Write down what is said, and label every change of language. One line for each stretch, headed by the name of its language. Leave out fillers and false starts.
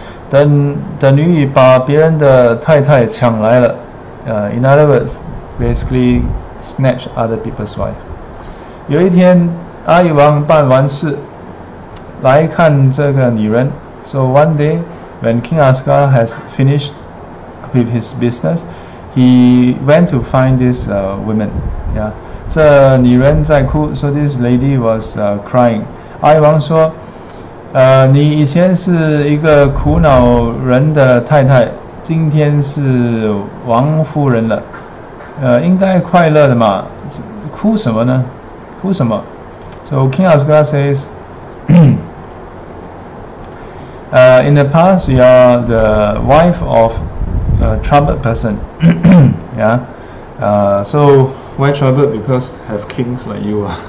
Chinese: 等女把别人的太太抢来了。
English: In other words, basically snatch other people's wife.
Chinese: 有一天阿育王办完事来看这个女人,
English: so one day when King Asuka has finished with his business, he went to find this woman. Yeah,
Chinese: 这女人在哭,
English: so this lady was crying.
Chinese: 阿育王说, 你以前是一个苦恼人的太太, 今天是王夫人了，应该快乐的嘛, 哭什么呢? 哭什么?
English: So King Asuka says, in the past you are the wife of a troubled person. Yeah. So why troubled? Because have kings like you.